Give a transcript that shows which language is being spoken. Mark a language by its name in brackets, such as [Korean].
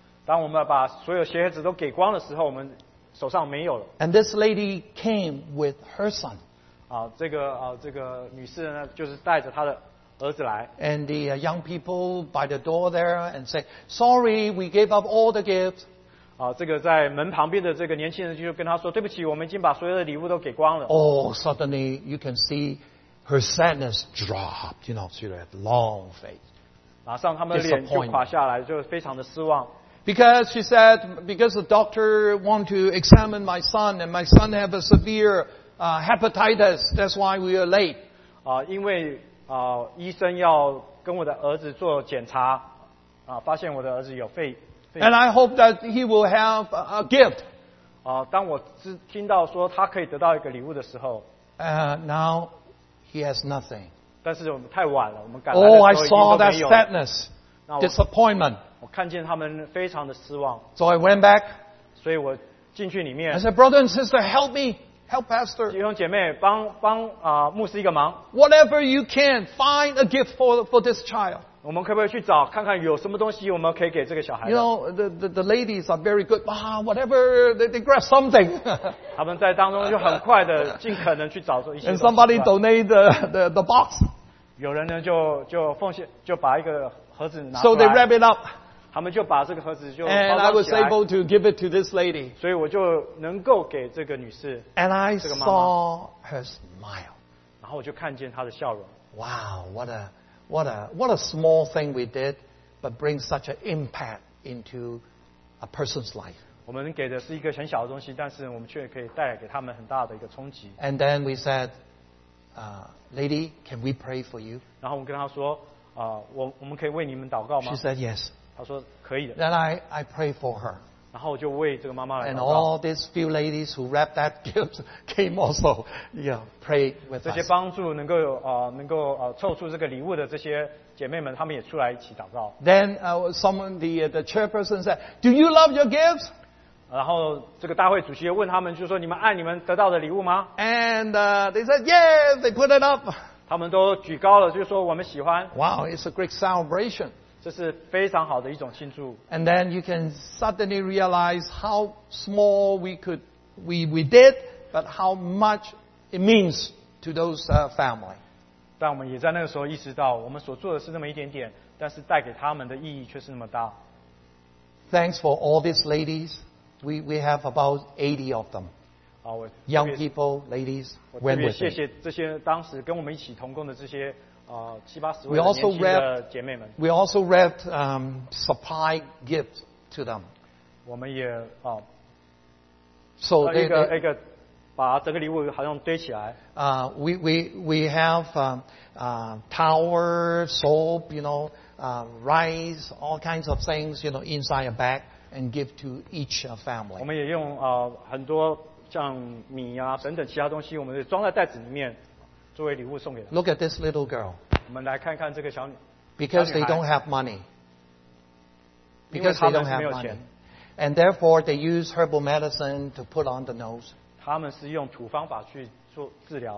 [Chinese] 当我们把所有鞋子都给光的时候，我们手上没有了。 [English] And this lady came with her son. [Chinese] 这个女士呢，就是带着她的儿子来。 [English] And the young people by the door there and say, "Sorry, we gave up all the gifts." [Chinese] 这个在门旁边的这个年轻人就跟他说，对不起，我们已经把所有的礼物都给光了。 [English] Oh, suddenly you can see her sadness dropped. You know, she had a long face. [Chinese] 马上他们的脸就垮下来，就非常的失望。 [English] Because she said, because the doctor want to examine my son, and my son have a severe hepatitis, that's why we are late. [Chinese] 因为医生要跟我的儿子做检查，发现我的儿子有肺。 [English] And I hope that he will have a gift. [Chinese] 当我听到说他可以得到一个礼物的时候 [English] ，Now he has nothing. [Chinese] 但是我们太晚了，我们赶来的时候已经都没有。 [English] Oh, I saw that sadness, disappointment. [Chinese] 我看见他们非常的失望。 [English] So I went back. [Chinese] 所以我进去里面。 [English] I said, "Brother and sister, help me, help Pastor." [Chinese] 弟兄姐妹，帮牧师一个忙。 [English] Whatever you can, find a gift for this child. [Chinese] 我们可不可以去找看看有什么东西我们可以给这个小孩 [English] ？You know, the ladies are very good. Ah, whatever they grab something. [Chinese] 他们在当中就很快的尽可能去找出一些。 [English] And somebody donate the box. [Chinese] 有人呢就奉献就把一个盒子拿出来。 [English] So they wrap it up. [Chinese] 他们就把这个盒子就 [English] And I was able to give it to this lady. [Chinese] 所以我就能够给这个女士 [English] And I saw her smile. [Chinese] 然后我就看见她的笑容。 [English] Wow, what a small thing we did, but brings such an impact into a person's life. [Chinese] 我们给的是一个很小的东西，但是我们却可以带来给他们很大的一个冲击。 [English] And then we said, "Lady, can we pray for you?" [Chinese] 然后我跟她说，我们可以为你们祷告吗 [English] ？She said yes. [Chinese] 他说可以的。 [English] Then I pray for her. [Chinese] 然后我就为这个妈妈来祷告。 [English] And all these few ladies who wrapped that gift came also, yeah, pray with us. [Chinese] 这些帮助能够凑出这个礼物的这些姐妹们，她们也出来一起祷告。 [English] Then someone the chairperson said, "Do you love your gifts?" [Chinese] 然后这个大会主席问他们，就说你们爱你们得到的礼物吗 [English] ？And they said, "Yes." They put it up. [Chinese] 他们都举高了，就说我们喜欢。 [English] Wow, it's a great celebration. [Chinese] 这是非常好的一种庆祝。 [English] And then you can suddenly realize how small we did, but how much it means to those family. [Chinese] 但我们也在那个时候意识到，我们所做的是那么一点点，但是带给他们的意义却是那么大。 [English] Thanks for all these ladies. We have about 80 of them. Young people, ladies, went with [Chinese] me. 我特别谢谢这些当时跟我们一起同工的这些。 [English] We also wrapped supply gifts to them. [Chinese] 我们也 [English] So [Chinese] they 把整个礼物好像堆起来。 [English] We have towel, soap, you know, rice, all kinds of things, you know, inside a bag and give to each family. [Chinese] 我们也用很多像米啊等等其他东西，我们也装在袋子里面。作为礼物送给他。 [English] Look at this little girl. [Chinese] 我们来看看这个小女。 [English] Because they don't have money. Because they don't have money. And therefore they use herbal medicine to put on the nose. [Chinese] 他们是用土方法去做治疗。